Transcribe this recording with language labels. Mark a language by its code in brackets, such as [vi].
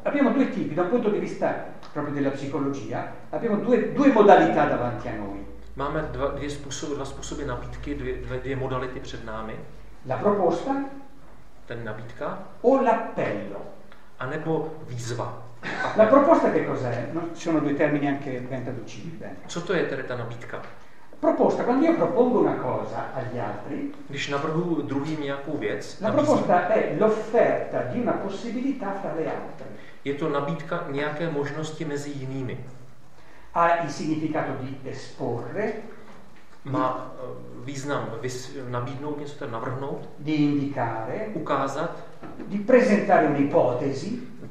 [it] Abbiamo due tipi, da un punto di vista proprio della psicologia, abbiamo due modalità davanti a noi. [cs] Máme dva způsoby nabídky, dvě modality před námi. [it] La proposta. [cs] Ten nabídka. [it] O l'appello. [cs] A nebo výzva. [it] La proposta che cos'è? No, sono due termini anche ben traducibili. [cs] Co to je tedy ta nabídka? [it] Proposta, quando io propongo una cosa agli altri. [cs] Když navrhu druhým nějakou věc. [it] La proposta è l'offerta di una possibilità fra le altre. [cs] Je to nabídka nějaké možnosti mezi jinými. [it] Ha il significato di esporre, [cs] ma význam nabídnout něco, tedy navrhnout, [it] di indicare, [cs] ukázat, [it] di presentare un'ipotesi,